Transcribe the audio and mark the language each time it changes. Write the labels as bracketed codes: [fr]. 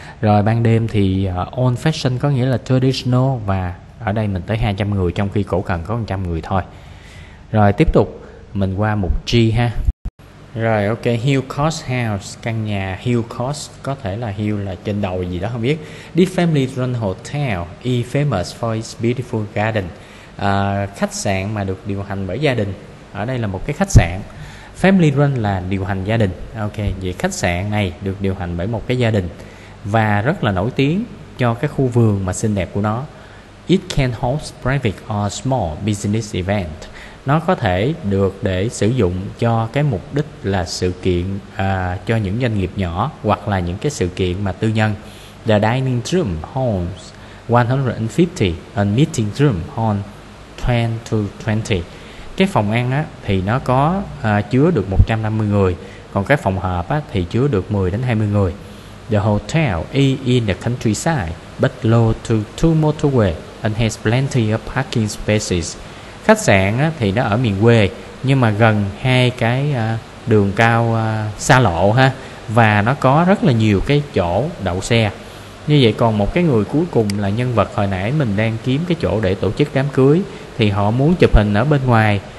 [vi] Rồi ban đêm thì old fashion có nghĩa là traditional, và ở đây mình tới 200 người trong khi cổ cần có 100 người thôi. Rồi tiếp tục mình qua mục G ha. Rồi ok, Hill Cost House, căn nhà Hill Cost, có thể là Hill là trên đầu gì đó không biết. [en] This family run hotel is famous for its beautiful garden. [vi] Khách sạn mà được điều hành bởi gia đình. Ở đây là một cái khách sạn. Family run là điều hành gia đình. Ok, vậy khách sạn này được điều hành bởi một cái gia đình và rất là nổi tiếng cho cái khu vườn mà xinh đẹp của nó. [en] It can host private or small business event. [vi] Nó có thể được để sử dụng cho cái mục đích là sự kiện cho những doanh nghiệp nhỏ hoặc là những cái sự kiện mà tư nhân. [en] The dining room holds 150 and meeting room holds 20 to 20. [vi] Cái phòng ăn á, thì nó có chứa được 150 người, còn cái phòng họp á, thì chứa được 10 đến 20 người. [en] The hotel is in the countryside, but close to two motorways and has plenty of parking spaces. [vi] Khách sạn á, thì nó ở miền quê, nhưng mà gần hai cái đường cao xa lộ ha, và nó có rất là nhiều cái chỗ đậu xe. Như vậy còn một cái người cuối cùng là nhân vật hồi nãy mình đang kiếm cái chỗ để tổ chức đám cưới, thì họ muốn chụp hình ở bên ngoài.